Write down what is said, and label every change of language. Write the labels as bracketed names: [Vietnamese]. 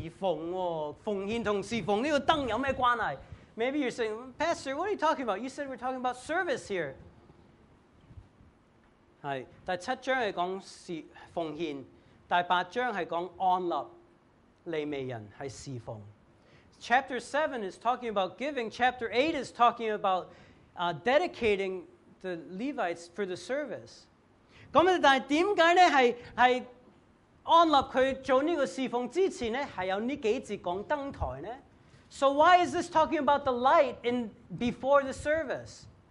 [Chinese] 可能你在这里勾头，牧师你说是讲侍奉，奉献和侍奉，这个灯有什么关系？ [English] Maybe you're saying, Pastor, what are you talking about? You said we're talking about service here. [Chinese] 第七章是讲奉献，第八章是讲安立利未人，是侍奉。 [English] Chapter 7 is talking about giving. Chapter 8 is talking about dedicating the Levites for the service. [Chinese] 但是为什么呢？安立他做这个侍奉之前呢，是有这几节讲灯台呢？ [English] So why is this talking about the light in before the service?